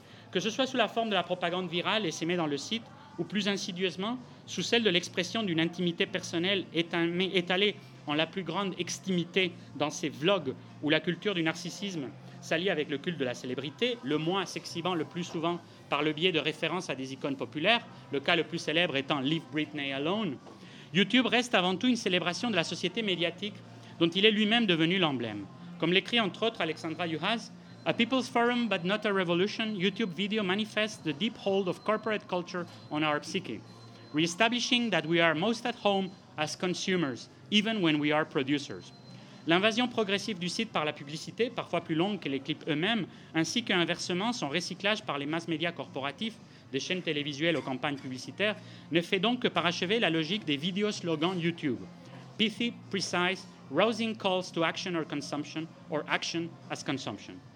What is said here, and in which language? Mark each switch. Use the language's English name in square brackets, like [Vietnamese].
[French] Que ce soit sous la forme de la propagande virale essaimée dans le site, ou plus insidieusement, sous celle de l'expression d'une intimité personnelle étalée en la plus grande extimité dans ces vlogs où la culture du narcissisme s'allie avec le culte de la célébrité, le moi s'exhibant le plus souvent par le biais de références à des icônes populaires, le cas le plus célèbre étant « [English] Leave Britney Alone [French] », YouTube reste avant tout une célébration de la société médiatique dont il est lui-même devenu l'emblème. Comme l'écrit entre autres Alexandra Juhasz, [English] A people's forum, but not a revolution, YouTube video manifests the deep hold of corporate culture on our psyche, re-establishing that we are most at home as consumers, even when we are producers. [French] L'invasion progressive du site par la publicité, parfois plus longue que les clips eux-mêmes, ainsi qu'inversement son recyclage par les mass médias corporatifs, des chaînes télévisuelles aux campagnes publicitaires, ne fait donc que parachever la logique des vidéo slogans YouTube. [English] Pithy, precise, rousing calls to action or consumption, or action as consumption.